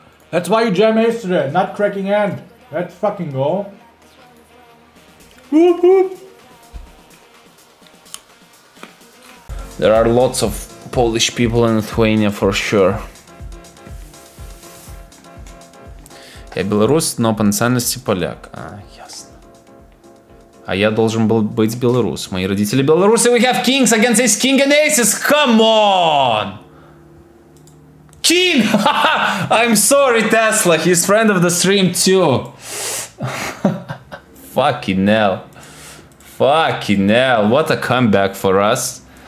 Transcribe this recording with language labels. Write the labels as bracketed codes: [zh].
[en] That's why you jam ace today, not cracking hand. Let's fucking go. Whoop whoop. There are lots of Polish people in Lithuania for sure. [ru] Я белорус, но по национальности поляк. А, ясно. А я должен был быть белорус. Мои родители белорусы. [en] We have kings against his king and aces. Come on! King! I'm sorry, Tesla. He's friend of the stream too. Fucking hell. Fucking hell. What a comeback for us.